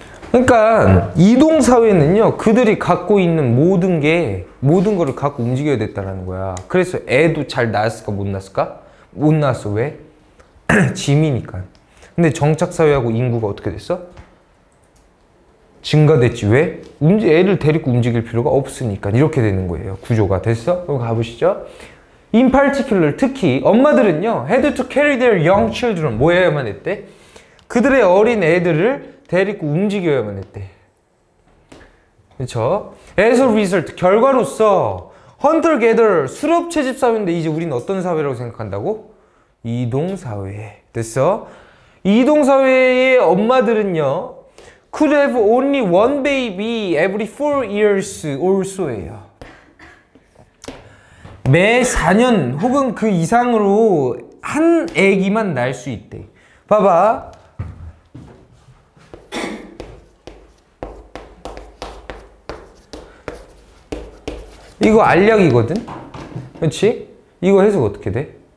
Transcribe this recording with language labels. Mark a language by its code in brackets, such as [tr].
[ko] 그러니까 이동 사회는요, 그들이 갖고 있는 모든 게 모든 거를 갖고 움직여야 됐다라는 거야. 그래서 애도 잘 낳았을까 못 낳았을까? 못 낳았어. 왜? 짐이니까. 근데 정착 사회하고 인구가 어떻게 됐어? 증가됐지. 왜? 애를 데리고 움직일 필요가 없으니까 이렇게 되는 거예요. 구조가 됐어? 그럼 가보시죠. [en] In particular, [ko] 특히 엄마들은요, [en] had to carry their young children. [ko] 뭐해야만 했대? 그들의 어린 애들을 데리고 움직여야만 했대. 그렇죠? [en] As a result, [ko] 결과로서 [en] hunter gatherer, [ko] 수렵 채집 사회인데 이제 우리는 어떤 사회라고 생각한다고? 이동 사회. 됐어? 이동 사회의 엄마들은요, [en] could have only one baby every 4 years also예요. [ko] 매 4년 혹은 그 이상으로 한 아기만 낳을 수 있대. 봐봐. 이거 알약이거든? 그렇지? 이거 해석 어떻게 돼?